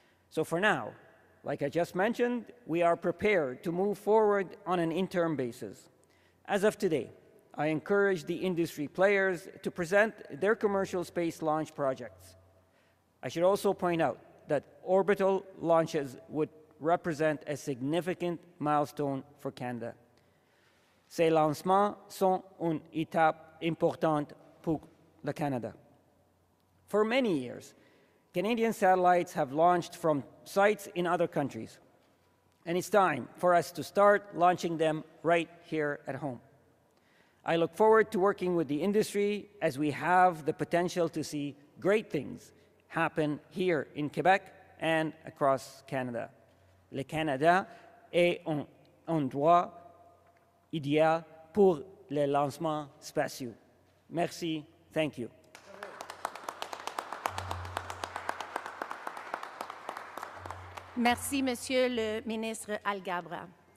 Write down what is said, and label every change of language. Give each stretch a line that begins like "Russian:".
English: So for now, like I just mentioned, we are prepared to move forward on an interim basis. As of today, I encourage the industry players to present their commercial space launch projects. I should also point out that orbital launches would represent a significant milestone for Canada.
French: Ces lancements sont une étape importante pour le Canada.
English: For many years, Canadian satellites have launched from sites in other countries, and it's time for us to start launching them right here at home. I look forward to working with the industry as we have the potential to see great things happen here in Quebec and across Canada.
French: Le Canada est un endroit idéal pour les lancements spatiaux. Merci,
English: thank you.
French: Merci, Monsieur le ministre Alghabra.